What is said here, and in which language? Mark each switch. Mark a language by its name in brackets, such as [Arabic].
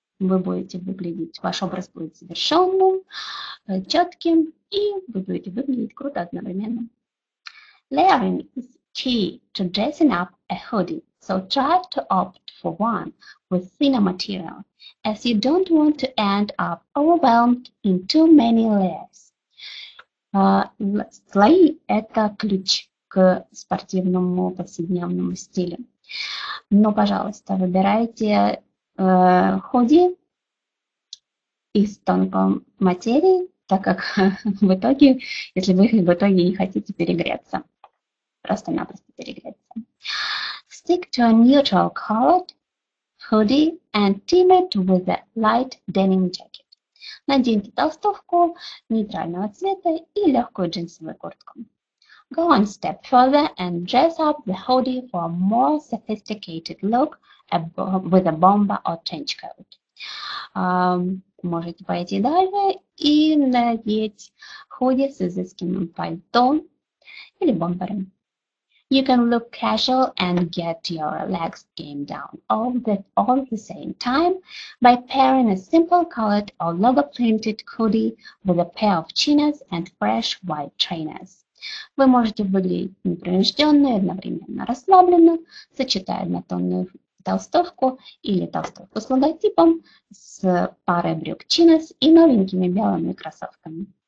[Russian] Вы будете выглядеть, ваш образ будет завершенным, четким, и вы будете выглядеть круто одновременно. [English] Layering is key to dressing up a hoodie, so try to opt for one with thinner material, as you don't want to end up overwhelmed in too many layers. [Russian] Слои – это ключ к спортивному повседневному стилю. Но, пожалуйста, выбирайте худи из тонкой материи, так как в итоге, если вы в итоге не хотите перегреться, просто-напросто перегреться. [English] Stick to a neutral colored hoodie and team it with a light denim jacket. [Russian] Наденьте толстовку нейтрального цвета и легкую джинсовую куртку. [English] Go one step further and dress up the hoodie for a more sophisticated look with a bomber or trench coat. [Russian] Можете пойти дальше и надеть худи с изысканным пальто или бомбером. [English] You can look casual and get your legs game down all the same time by pairing a simple collared or logo-printed hoodie with a pair of chinos and fresh white trainers. [Russian] Вы можете выглядеть непринужденно и одновременно расслабленно, сочетая однотонную толстовку или толстовку с логотипом с парой брюк чинос и новенькими белыми кроссовками.